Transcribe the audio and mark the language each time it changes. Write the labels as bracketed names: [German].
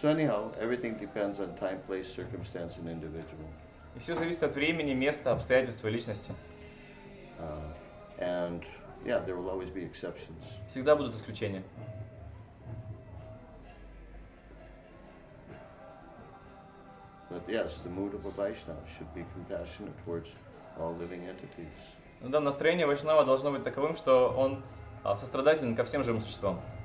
[English] So anyhow, everything depends on time, place, circumstance, and individual. [Russian] И все зависит от времени, места, обстоятельств и личности. [English] And yeah, there will always be exceptions. [Russian] Всегда будут исключения. [English] But yes, the mood of a Vaishnava should be compassionate towards all living entities. [Russian] Ну да, настроение Вайшнава должно быть таковым, что он сострадателен ко всем живым существам.